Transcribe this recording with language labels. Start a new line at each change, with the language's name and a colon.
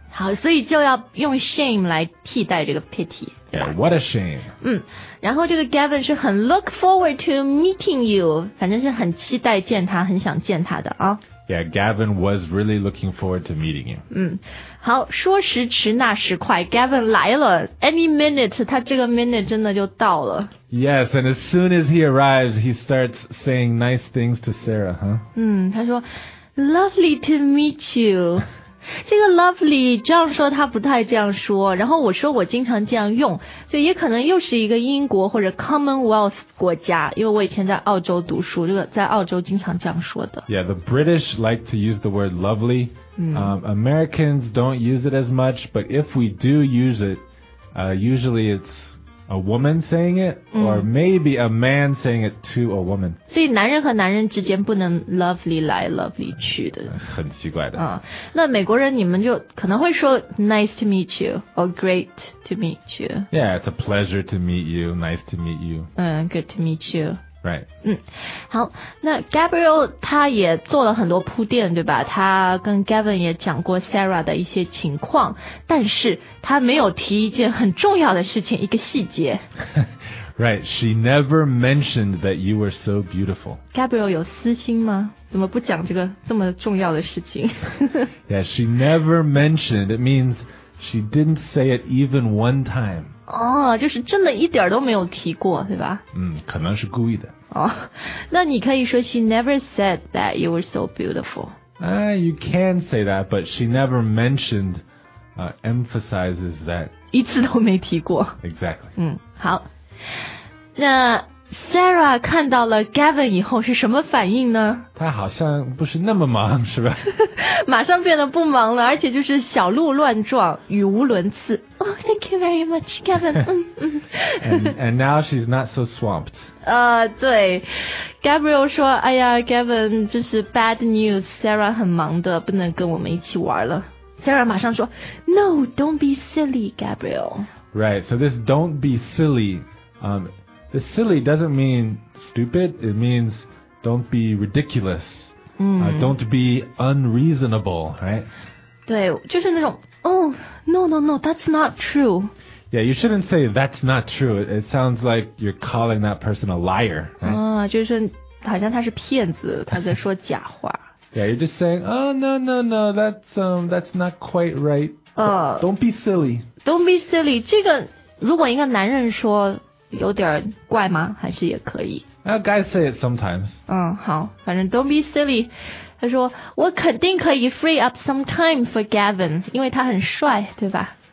Chinese: 好，所以就要用 shame 来替代这个 pity.
English: Yeah, what a shame.
Chinese: 然后这个 Gavin 是很
English: look forward to meeting you.
Chinese: 反正是很期待见他，很想见他的啊。
English: Yeah, Gavin was really looking forward to meeting you.
Chinese: 好，说时迟那时快 ，Gavin 来了 ，
English: any minute，
Chinese: 他这个 minute 真的就到了。
English: Yes, and as soon as he arrives, he starts saying nice things to Sarah, huh?
Chinese: 他说
English: ，lovely to meet you.
Chinese: 这个 lovely 这样说他不太这样说然后我说我经常这样用所以也可能又是一个英国或者 commonwealth 国家因为我以前在澳洲读书这个在澳洲经常这样说的
English: Yeah, the British like to use the word lovely Americans don't use it as much but if we do use it usually it's a woman saying it or maybe a man saying it to a woman
Chinese: 所以男人和男人之间不能 lovely 来 lovely 去的很奇怪的那美国人你们就可能会说
English: nice to meet you or great to meet you yeah it's a pleasure to meet you nice to meet you good to meet you right
Chinese: 好那 Gabriel 他也做了很多铺垫对吧他跟 Gavin 也讲过 Sarah 的一些情况但是他没有提一件很重要的事情一个细节
English: right she never mentioned that you were so beautiful
Chinese: Gabriel 有私心吗怎么不讲这个这么重要的事情
English: yeah she never mentioned it means she didn't say it even one time
Chinese: 就是真的一点都没有提过对吧可能是故意的那你可以说
English: she never said that you were so beautiful you can say that but she never mentioned emphasizes that
Chinese: 一次都没提过
English: exactly
Chinese: 好那 Sarah 看到了 Gavin 以后是什么反应呢？他好像不是那么忙，是吧？马上变得不忙了，而且就是小鹿乱撞，语无伦次。
English: Oh, thank you very much, Gavin. and now she's not so swamped.
Chinese: 对 ，Gabriel 说：“哎呀 ，Gavin， 这是
English: bad news.
Chinese: Sarah 很忙的，不能跟我们一起玩了。”
English: Sarah
Chinese: 马上说
English: ：“No, don't be silly, Gabriel.” Right. So this "don't be silly." The silly doesn't mean stupid, it means don't be ridiculous,don't be unreasonable, right?
Chinese: 对，就是那种
English: oh, no, no, no, that's not true. Yeah, you shouldn't say that's not true, it sounds like you're calling that person a liar, right?
Chinese: 就是好像他是骗子，他在说假话。
English: Yeah, you're just saying, oh, no, no, no, that's not quite right. Don't be silly. Don't be silly,
Chinese: 这个如果一个男人说有点怪吗？还是也可以
English: Guys say it sometimes.
Chinese: 好，反正
English: don't be silly.
Chinese: 他说我肯定可以
English: free up some time for Gavin,
Chinese: 因为他很帅，对吧？